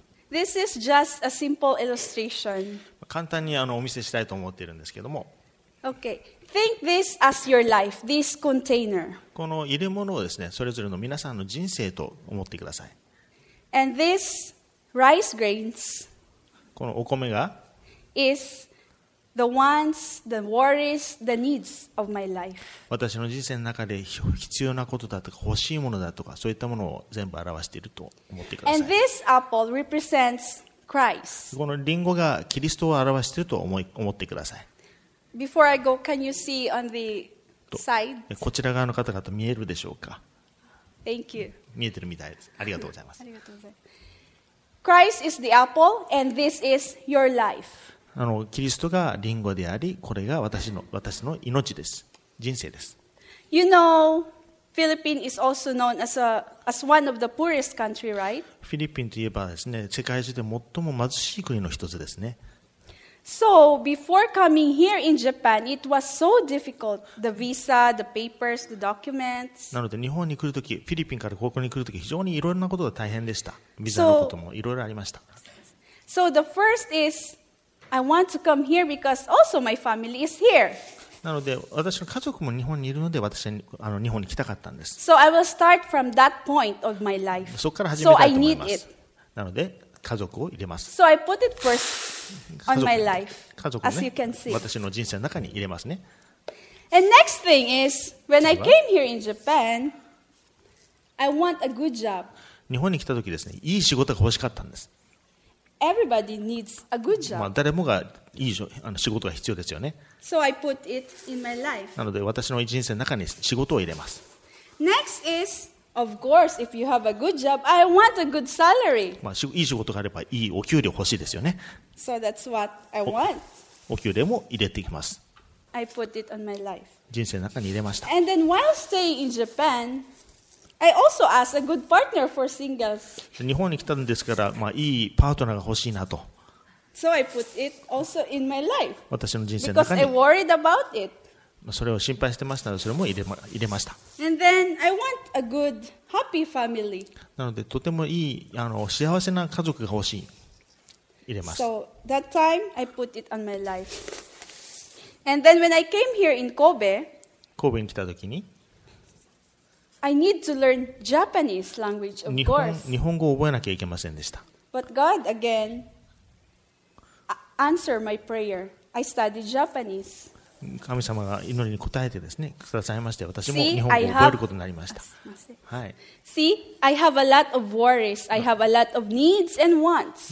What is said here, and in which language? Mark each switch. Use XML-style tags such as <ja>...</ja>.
<en>This is just a simple illustration.</en> <ja>簡単にお見せしたいと思っているんですけども。</ja> <en>Okay. Think this as your life, this container.</en> <ja>この入れ物をですね、それぞれの皆さんの人生と思ってください。</ja> <en>And this rice grains.</en> <ja>このお米が</ja> <en>is the wants, the worries, the needs of my life.</en> <ja>私の人生の中で必要なことだとか欲しいものだとかそういったものを全部表していると思ってください。</ja> <en>And this apple represents Christ.</en> <ja>このリンゴがキリストを表していると思ってください。</ja> <en>Before I go, can you see on the side?</en> <ja>こちら側の方々見えるでしょうか?</ja> <en>Thank you.</en> <ja>見えてるみたいです。ありがとうございます。ありがとうございます。</ja> <en>Christ is the apple, and this is your life.</en> <ja>キリストがリンゴであり、これが私の命です。人生です。</ja> <en>You know, Philippines is also known as one of the poorest country, right?</en> <ja>フィリピンといえばですね、世界中で最も貧しい国の一つですね。</ja> <en>So before coming here in Japan, it was so difficult. The visa, the papers, the documents.</en> <ja>なので日本に来るとき、フィリピンからここに来るとき、非常にいろいろなことが大変でした。ビザのこともいろいろありました。</ja> <en>So the first is, I want to come here because also my family is here.</en> <ja>なので私の家族も日本にいるので私は日本に来たかったんです。</ja> <en>So I will start from that point of my life.</en> <ja>そこから始めたいと思います。</ja> <en>So I need it.</en> <ja>なので家族を入れます。</ja> <en>So I put it first. On my life,</en> <ja>家族をね、</ja> <en>as you can see.</en> <ja>私の人生の中に入れますね。</ja> <en>And next thing is, when I came here in Japan, I want a good job.</en> <ja>日本に来た時ですね、いい仕事が欲しかったんです。</ja> <en>Everybody needs a good job.</en> <ja>まあ誰もがいい仕事が必要ですよね。</ja> <en>So I put it in my life.</en> <ja>なので私の人生の中に仕事を入れます。</ja> <en>Next is, of course, if you have a good job, I want a good salary.</en> <ja>まあいい仕事があればいいお給料欲しいですよね。</ja> <en>So that's what I want.</en> <ja>お給料も入れていきます。</ja> <en>I put it on my life.</en> <ja>人生の中に入れました。</ja> <en>And then while staying in Japan, I also asked a good partner for singles.</en> <ja>日本に来たんですから、まあいいパートナーが欲しいなと。</ja> <en>So I put it also in my life.</en> <ja>私の人生の中に。</ja> <en>Because I worried about it.</en> <ja>それを心配してましたので、それも入れました。</ja> <en>And then I want a good, happy family.</en> <ja>なので、とてもいい幸せな家族が欲しい。</ja> <en>So that time I put it on my life. And then when I came here in Kobe,</en> <ja>神戸に来た時に、</ja> <en>I need to learn Japanese language, of course.</en> <ja>日本語を覚えなきゃいけませんでした。</ja> <en>But God again answered my prayer. I studied Japanese.</en> <ja>神様が祈りに答えてですね、くださいまして、私も日本語を覚えることになりました。はい。</ja> <en>See, I have a lot of worries. I have a lot of needs and wants.</en>